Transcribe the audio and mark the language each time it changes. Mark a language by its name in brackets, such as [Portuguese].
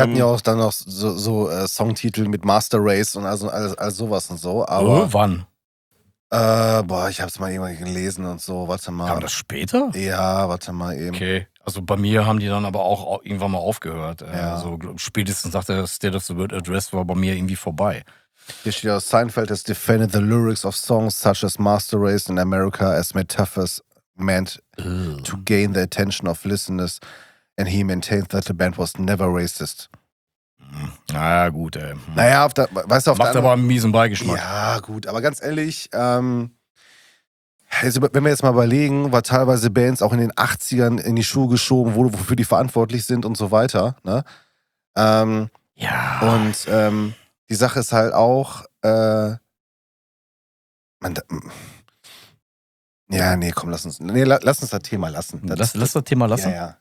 [German] Die hatten ja auch Songtitel mit Master Race und also sowas und so. Aber wann? Ich hab's mal irgendwann gelesen und so, warte mal. Kam das später? Ja, warte mal eben. Okay. Also bei mir haben die dann aber auch irgendwann mal aufgehört. Ja. So spätestens sagt er, State of the World Address war bei mir irgendwie vorbei. [English] Hier steht ja, Seinfeld has defended the lyrics of songs such as Master Race in America as metaphors meant to gain the attention of listeners, and he maintained that the band was never racist. [German] Naja, gut, ey. Naja, macht aber einen miesen Beigeschmack. Ja, gut, aber ganz ehrlich, also wenn wir jetzt mal überlegen, war teilweise Bands auch in den 80ern in die Schuhe geschoben, wofür die verantwortlich sind und so weiter, ne? Und die Sache ist halt auch, lass uns das Thema lassen.